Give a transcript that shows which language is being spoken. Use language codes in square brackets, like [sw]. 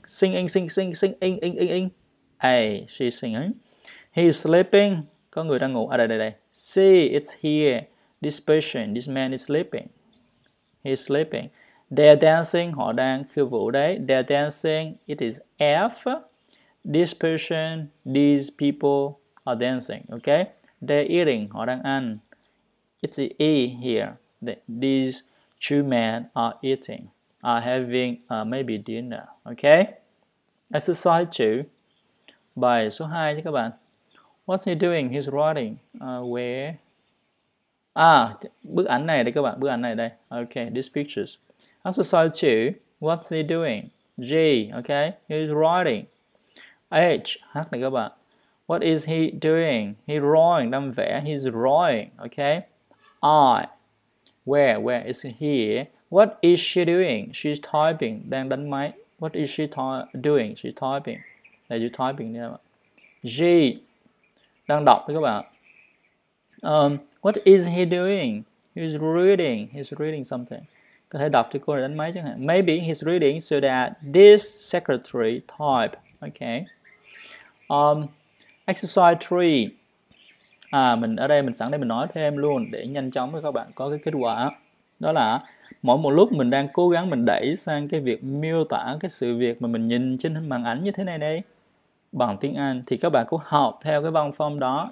[en] Singing, sing, sing, sing, ing, ing, ing, ing. A. She's singing. He's sleeping. [vi] Có người đang ngủ. À đây, đây, đây. [en] C. It's here. This person, this man is sleeping. He's sleeping. They're dancing, [vi] họ đang khiêu vũ đấy. [en] They're dancing, it is F. This person, these people are dancing, okay? They're eating, [vi] họ đang ăn. [en] It's E here. that these two men are eating, are having maybe dinner. Okay? Exercise 2. [vi] Bài số 2 nhé các bạn. [en] What's he doing? He's writing. Where? [vi] Bức ảnh này đây các bạn. Bức ảnh này đây. [en] Okay, these pictures. Exercise 2. What's he doing? G. Okay? He's writing. H. H này các bạn. What is he doing? He's drawing. [vi] Đang vẽ. [en] He's drawing. Okay? I. Where? Where? It's here. What is she doing? She's typing. [vi] Đang đánh máy. [en] What is she doing? She's typing. [vi] Là [en] you typing [vi] nha các bạn. [en] G. [vi] Đang đọc đấy các bạn. [en] What is he doing? He's reading. He's reading something. [vi] Có thể đọc cho cô này đánh máy chẳng hạn. [en] Maybe he's reading so that this secretary type. Okay. Exercise 3. [vi] Mình ở đây mình sẵn đây mình nói thêm luôn để nhanh chóng với các bạn có cái kết quả. Đó là mỗi một lúc mình đang cố gắng mình đẩy sang cái việc miêu tả cái sự việc mà mình nhìn trên màn ảnh như thế này đây bằng tiếng Anh thì các bạn cũng học theo cái văn phong đó.